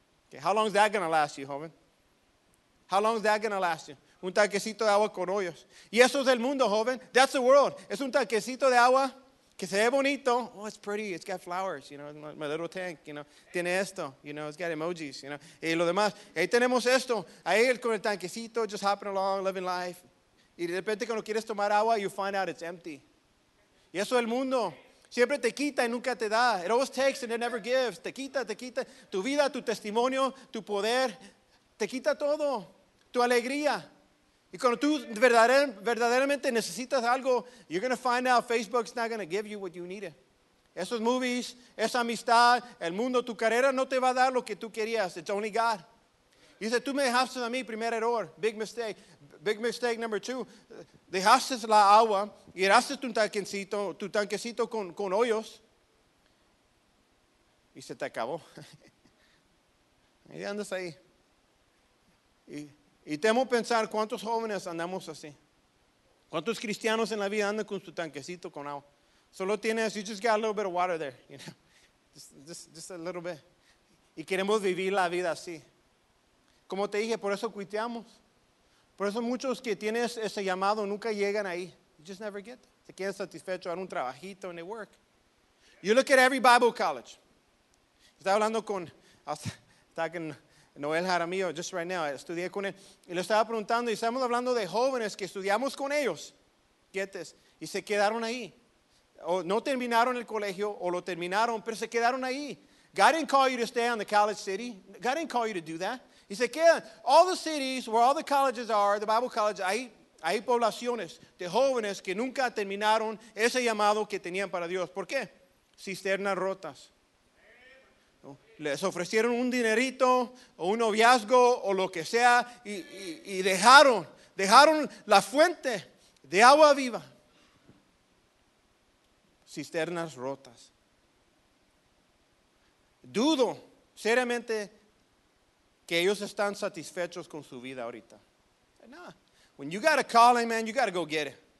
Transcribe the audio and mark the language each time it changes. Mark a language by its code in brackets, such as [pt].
[en] Okay, how long is that going to last you, joven? How long is that going to last you? [es] Un tanquecito de agua con hoyos. Y eso es el mundo, joven. [en] That's the world. [es] Es un tanquecito de agua que se ve bonito. [en] Oh, it's pretty. It's got flowers, you know. My little tank, you know. [es] Tiene esto, [en] you know. It's got emojis, you know. [es] Y lo demás. Ahí tenemos esto. Ahí con el tanquecito, [en] just hopping along, living life. [es] Y de repente cuando quieres tomar agua, [en] you find out it's empty. [es] Y eso es el mundo. Siempre te quita y nunca te da. [en] It always takes and it never gives. [es] Te quita. Tu vida, tu testimonio, tu poder. Te quita todo, tu alegría. Y cuando tú verdaderamente necesitas algo, [en] you're going to find out Facebook's not going to give you what you needed. [es] Esos movies, esa amistad, el mundo, tu carrera no te va a dar lo que tú querías. [en] It's only God. [es] Y dice, tú me dejaste a mí, primer error, [en] big mistake. Big mistake number two. [es] Dejaste la agua y dejaste tu tanquecito con hoyos y se te acabó. Y andas ahí. Y temo pensar cuántos jóvenes andamos así. Cuántos cristianos en la vida andan con su tanquecito con agua. Solo tienes, [en] you just got a little bit of water there, you know. Just a little bit. [es] Y queremos vivir la vida así. Como te dije, por eso cuiteamos. Por eso muchos que tienes ese llamado nunca llegan ahí. [en] You just never get there. [es] Se quedan satisfechos, dan un trabajito [en] and they work. You look at every Bible college. [es] Estaba hablando con, estaba que Noel Jaramillo, [en] just right now, [es] estudié con él. Y le estaba preguntando, y estamos hablando de jóvenes que estudiamos con ellos. Quietes. Y se quedaron ahí. O no terminaron el colegio, o lo terminaron, pero se quedaron ahí. [en] God didn't call you to stay on the college city. God didn't call you to do that. [es] Y se quedan. [en] All the cities where all the colleges are, the Bible college, [es] hay poblaciones de jóvenes que nunca terminaron ese llamado que tenían para Dios. ¿Por qué? Cisternas rotas. Les ofrecieron un dinerito o un noviazgo o lo que sea y dejaron la fuente de agua viva. Cisternas rotas. Dudo seriamente que ellos están satisfechos con su vida ahorita. No. [en] When you got a calling, man, you got to go get it.